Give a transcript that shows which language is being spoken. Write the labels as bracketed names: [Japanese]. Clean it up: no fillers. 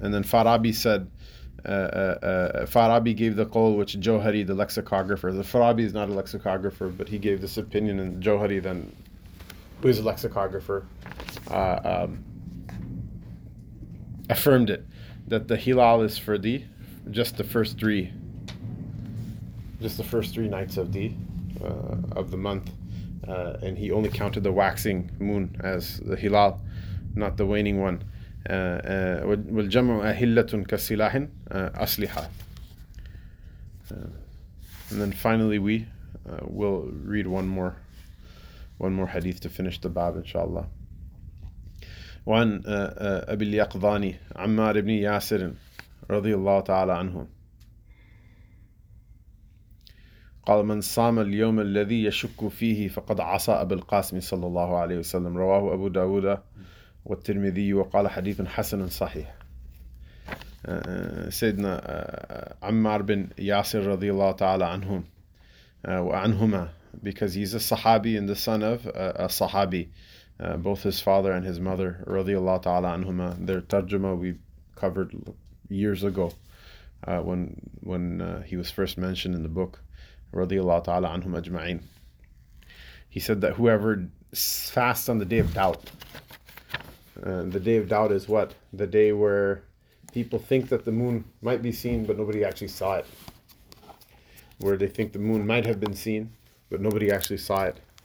[English] And then Farabi said, Farabi gave the qawl, which Johari, the lexicographer, the Farabi is not a lexicographer, but he gave this opinion, and Johari then, who is a lexicographer, affirmed it, that the hilal is for the just the first three, just the first three nights of the month, and he only counted the waxing moon as the hilal, not the waning one. [Arabic] وَالْجَمْعُ أَهِلَّةٌ كَسِلَاحٍ أَصْلِحًا. [English] And then finally we will read one more hadith to finish the bab, inshallah. [Arabic] وَعَنْ أَبِي الْيَقْضَانِ عَمَّارِ بْنِ يَاسِرٍ رَضِيَ اللَّهُ تَعَالَى عَنْهُمْ قال من صام اليوم الذي يشك فيه فقد عصى أبو القاسم صلى الله عليه وسلم رواه أبو داود والترمذي وقال حديث حسن صحيح. سيدنا عمار بن ياسر رضي الله تعالى عنهم وعنهما, [English] because he's a Sahabi and the son of a Sahabi, both his father and his mother [Arabic] رضي الله تعالى عنهما. [English] Their tarjuma we covered years ago when he was first mentioned in the book. [Arabic] رضي الله تعالى عنهم أجمعين. [English] He said that whoever fasts on the day of doubt, the day of doubt is what? The day where people think that the moon might be seen, but nobody actually saw it. Where they think the moon might have been seen, but nobody actually saw it.